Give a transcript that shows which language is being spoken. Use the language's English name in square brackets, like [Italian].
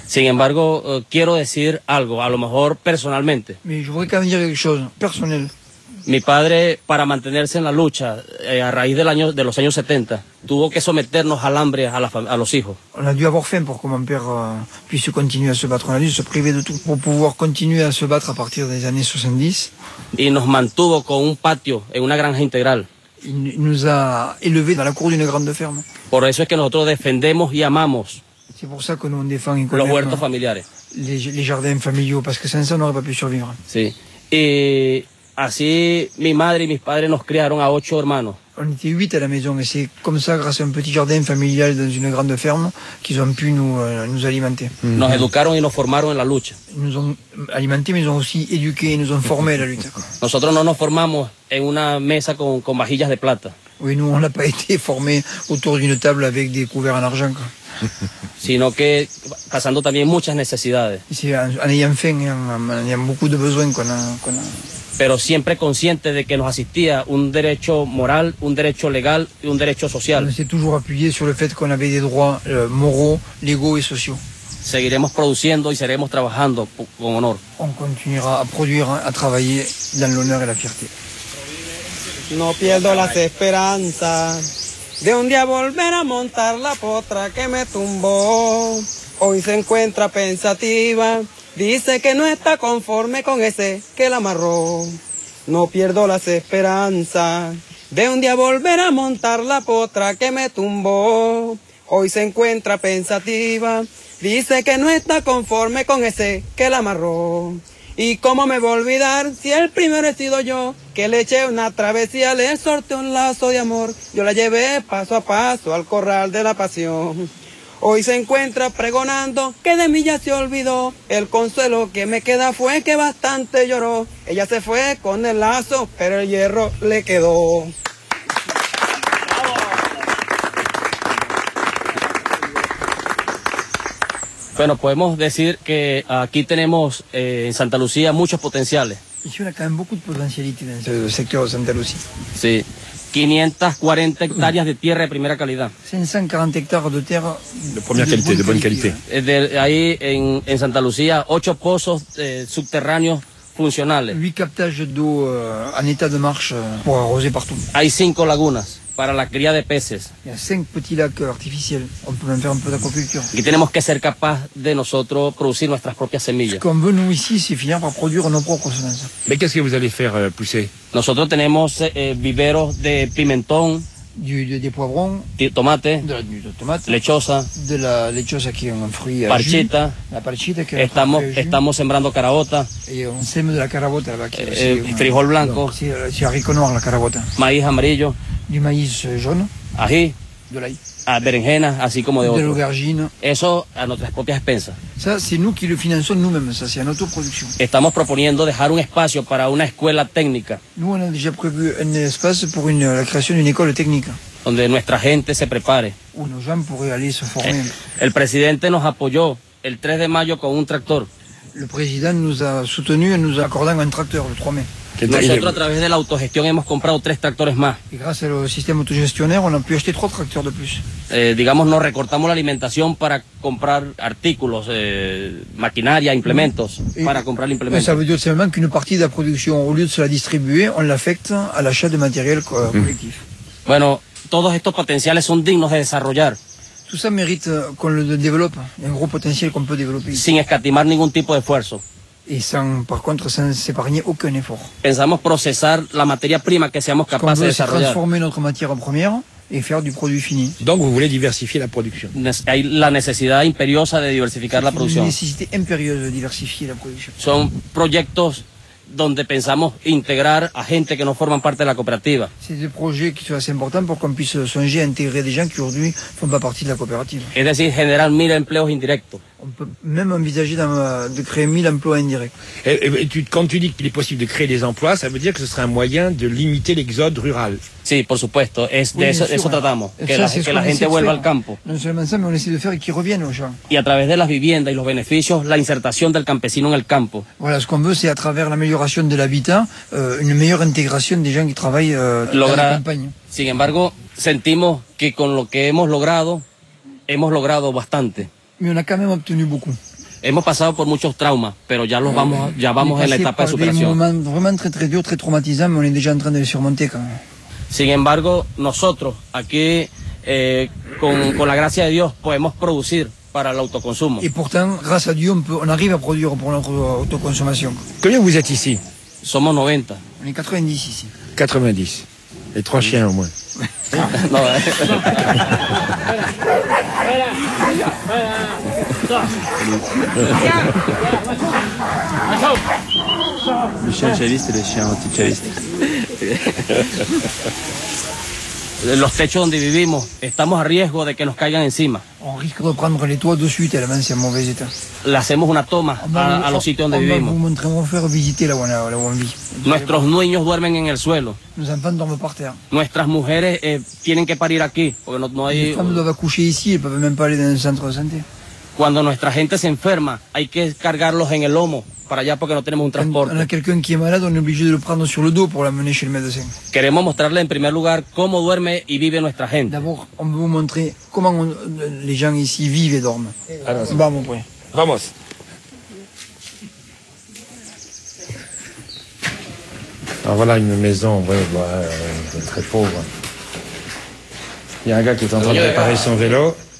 [Spanish] Sin embargo, quiero decir algo, a lo mejor personalmente. [French] Mais je voudrais quand même dire quelque chose, personnel. [Spanish] Mi padre, para mantenerse en la lucha, a raíz del año, de los años 70, tuvo que someternos al hambre a los hijos. [French] On a dû avoir faim pour que mon père puisse continuer à se battre. On a dû se priver de tout pour pouvoir continuer à se battre à partir des années 70. [Spanish] Y nos mantuvo con un patio en una granja integral. [French] Il nous a élevés dans la cour d'une grande ferme. [Spanish] Por eso es que nosotros defendemos y amamos. [French] C'est pour ça que nous on défend et qu'on aime. [Spanish] Los huertos familiares. [French] Les jardins familiaux, parce que sans ça, on n'aurait pas pu survivre. [Spanish] Sí. Así mi madre y mis padres nos criaron a 8 hermanos. [French] On était 8 à la maison et c'est comme ça, grâce à un petit jardin familial dans une grande ferme, qu'ils ont pu nous alimenter. Mm-hmm. [Spanish] Nos educaron y nos formaron en la lucha. [French] Ils nous ont alimentés, mais ils ont aussi éduqué et nous ont formés à la lutte. [Spanish] Nosotros no nos formamos en una mesa con vajillas de plata. [French] Oui, nous on n'a pas été formés autour d'une table avec des couverts en argent. Quoi. [Spanish] Sino que pasando también muchas necesidades. [French] Sí, en ayant faim, en ayant beaucoup de besoins qu'on a... [Spanish] Pero siempre consciente de que nos asistía un derecho moral, un derecho legal y un derecho social. [French] On s'est toujours appuyé sur le fait qu'on avait des droits moraux, légaux et sociaux. [Spanish] Seguiremos produciendo y seguiremos trabajando con honor. [French] On continuera a produire, a travailler dans l'honneur et la fierté. [Spanish] No pierdo las esperanzas de un día volver a montar la potra que me tumbó. Hoy se encuentra pensativa. Dice que no está conforme con ese que la amarró. No pierdo las esperanzas de un día volver a montar la potra que me tumbó. Hoy se encuentra pensativa. Dice que no está conforme con ese que la amarró. ¿Y cómo me voy a olvidar si el primero he sido yo? Que le eché una travesía, le sorté un lazo de amor. Yo la llevé paso a paso al corral de la pasión. Hoy se encuentra pregonando que de mí ya se olvidó. El consuelo que me queda fue que bastante lloró. Ella se fue con el lazo, pero el hierro le quedó. Bueno, podemos decir que aquí tenemos en Santa Lucía muchos potenciales. [French] Ici, on a quand même beaucoup de potentialités dans le secteur de Santa Lucía. [Spanish] Sí. 540 hectáreas de tierra de primera calidad. 540 hectáreas de tierra de primera calidad, de buena calidad. Ahí en Santa Lucía, 8 pozos subterráneos funcionales. [French] 8 captages d'eau en état de marche pour arroser partout. [Spanish] Hay 5 lagunas para la cría de peces. [French] Y a 5 petits lacs artificiels. On peut même faire un peu d'aquaculture. [Spanish] Y tenemos que ser capaz de nosotros producir nuestras propias semillas. [French] Ce qu'on veut, nous, ici, c'est finir par produire nos propres semences. Mais qu'est-ce que vous allez faire pousser? [Spanish] Nosotros tenemos viveros de pimentón. [French] Des poivrons. [Spanish] Tomate. [French] De tomate. [Spanish] Lechosa. [French] De la lechosa qui est un fruit. [Spanish] Parchita. [French] La parchita qui est un fruit. [Spanish] Estamos sembrando caraota. [French] Y on sème de la caraota là-bas. [Spanish] Frijol blanco. [French] C'est haricot noir, la caraota. [Spanish] Maíz amarillo. [French] Du maïs jaune. [Spanish] Ají. [French] De l'ail. [Spanish] Ah, berenjena, así como de otro. [French] De l'aubergine. [Spanish] Eso a nuestras propias expensas. [French] Ça, c'est nous qui le finançons nous-mêmes, ça, c'est à notre production. [Spanish] Estamos proponiendo dejar un espacio para una escuela técnica. [French] Nous, on a déjà prévu un espace pour la création d'une école técnica. [Spanish] Donde nuestra gente se prepare. [French] Où nos gens pourraient aller se former. [Spanish] El presidente nos apoyó el 3 de mayo con un tractor. [French] Le président nous a soutenu en nous accordant un tracteur le 3 mai. [Spanish] Nosotros a través de la autogestión hemos comprado 3 tractores más. Y gracias al sistema autogestionario, [French] on a pu acheter 3 tractores de plus. [Spanish] Digamos, nos recortamos la alimentación para comprar artículos, maquinaria, implementos, para comprar implementos. [French] Ça veut dire simplement qu'une partie de la production, au lieu de se la distribuer, on l'affecte à l'achat de matériel collectif. [Spanish] Bueno, todos estos potenciales son dignos de desarrollar. [French] Tout ça mérite qu'on le développe, un gros potentiel qu'on peut développer. [Spanish] Sin escatimar ningún tipo de esfuerzo. [French] y sin, por contre, sans épargner aucun effort. [Spanish] Pensamos procesar la materia prima que seamos capaces de desarrollar. [French] Transformer notre matière en première et faire du produit fini. Donc vous voulez diversifier la production. [Spanish] Hay la necesidad imperiosa de diversificar la producción. [French] Necesité impérieuse de diversifier la production. [Spanish] Son proyectos donde pensamos integrar a gente que no forman parte de la cooperativa. [French] C'est des projets qui sont assez importants pour qu'on puisse songer à intégrer des gens qui aujourd'hui font pas partie de la coopérative. [Spanish] Es decir, generar 1000 empleos indirectos. [French] On peut même envisager de créer 1000 emplois indirects. Quand tu dis qu'il est possible de créer des emplois, ça veut dire que ce serait un moyen de limiter l'exode rural. [Spanish] Sí, por supuesto, es de eso, eso tratamos, que la gente vuelva al campo. No solamente eso, sino que necesitamos hacer que reviene los gens. Y a través de las viviendas y los beneficios, la insertación del campesino en el campo. [French] Voilà, ce qu'on veut, c'est à [Spanish] través de la [French] amélioration de l'habitat, [Spanish] una mejor integración de gens que trabajan en la campaña. Sin embargo, sentimos que con lo que hemos logrado bastante. [French] Mais on a quand même obtenu beaucoup. [Spanish] Hemos pasado por muchos traumas, pero ya los vamos, ya vamos en la etapa de superación. Hemos pasado por un momento realmente muy duro, muy traumatizado, pero estamos ya [French] en train de surmonter quand même. [Spanish] Sin embargo, nosotros aquí, con la gracia de Dios, podemos producir para el autoconsumo. [French] Y pourtant, grâce à Dieu, on arrive à produire pour notre autoconsommation. Combien vous êtes ici? [Spanish] Somos 90. [French] On est 90 ici. [Spanish] 90. [French] Et trois chiens au moins. [Spanish] No, ¿eh? [French] Le chien chaviste et le chien anti-chaviste. [Spanish] Los techos donde vivimos, estamos a riesgo de que nos caigan encima. [French] On risque de prendre les toits de suite, la mansion mauvais état. [Spanish] Le hacemos una toma a los sitios donde vivimos. [French] Nous montrerons faire visiter la bonne vie. [Spanish] Nuestros niños duermen en el suelo. [French] Nos enfants dorment par terre. [Spanish] Nuestras mujeres tienen que parir aquí, porque no hay. [French] Les femmes doivent accoucher ici, elles peuvent même pas aller dans un centre de santé. [Spanish] Cuando nuestra gente se enferma, hay que cargarlos en el lomo para allá porque no tenemos un transporte. [French] Quand on a quelqu'un qui est malade, on est obligé de le prendre sur le dos pour l'amener chez le médecin. [Spanish] Queremos mostrarle en primer lugar cómo duerme y vive nuestra gente. [French] D'abord, on veut vous montrer comment les gens ici vivent et dorment. [Spanish] Alors, vamos, pues. Vamos. [French] Alors voilà une maison, ouais, très pauvre. Il y a un gars qui est en train de réparer son vélo.